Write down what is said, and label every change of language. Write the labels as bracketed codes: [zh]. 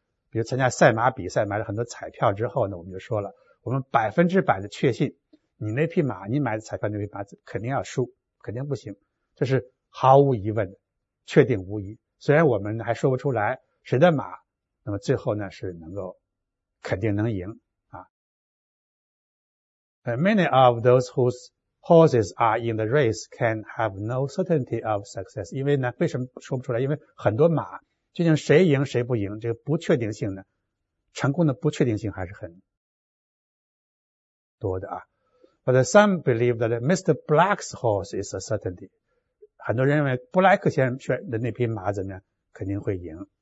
[zh] 比如参加赛马比赛，买了很多彩票之后呢，我们就说了，我们百分之百的确信，你那匹马，你买的彩票那匹马肯定要输，肯定不行。这是毫无疑问的，确定无疑。虽然我们还说不出来谁的马，那么最后呢是能够肯定能赢。 [en] Many of those whose horses are in the race can have no certainty of success. [zh] 因为呢，为什么说不出来？因为很多马，究竟谁赢谁不赢，这个不确定性呢，成功的不确定性还是很多的啊。 [en] But some believe that Mr. Black's horse is a certainty. [zh] 很多人认为布莱克先生的那匹马怎么样，肯定会赢。